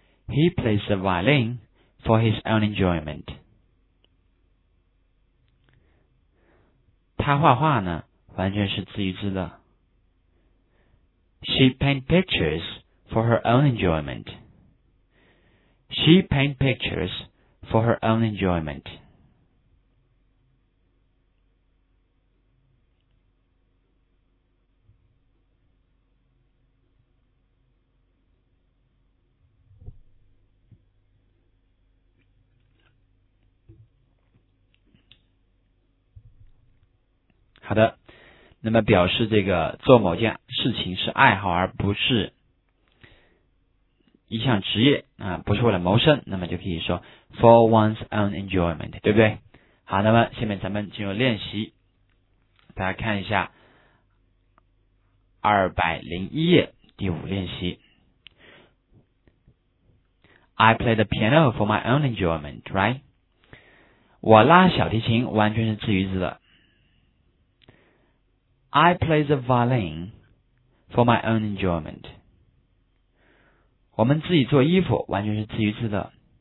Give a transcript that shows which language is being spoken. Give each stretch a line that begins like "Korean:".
English: He plays the violin for his own enjoyment.
Chinese: 他画画呢，完全是自娱自乐。
English: She paints pictures for her own enjoyment. She paints pictures for her own enjoyment.
Chinese: 好的，那么表示这个做某件事情是爱好而不是一项职业啊，不是为了谋生，那么就可以说
English: for one's own enjoyment，
Chinese: 对不对？好，那么下面咱们进入练习，大家看一下201页第五练习。
English: I play the piano for my own enjoyment, right?
Chinese: 我拉小提琴完全是自娱自乐。
English: I play the violin for my own enjoyment.
Chinese: 我们自己做衣服完全是自娱自乐。